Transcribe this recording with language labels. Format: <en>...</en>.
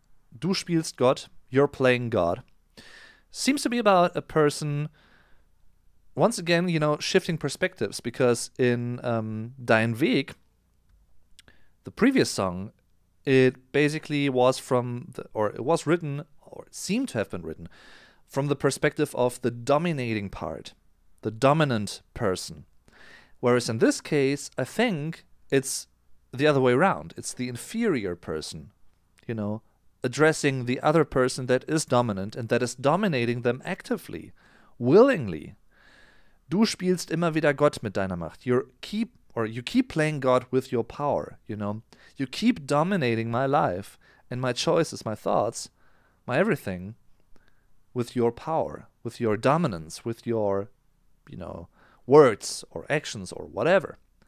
<de>Du spielst Gott,</de> <en>you're playing God. Seems to be about a person, once again, you know, shifting perspectives, because in Dein Weg, the previous song, it basically was from, it was written, or it seemed to have been written, from the perspective of the dominating part, the dominant person. Whereas in this case, I think it's the other way around. It's the inferior person, you know, addressing the other person that is dominant and that is dominating them actively, willingly.</en> <de>Du spielst immer wieder Gott mit deiner Macht.</de> <en>You keep playing God with your power, you know. You keep dominating my life and my choices, my thoughts, my everything with your power, with your dominance, with your, you know, words or actions or whatever.</en>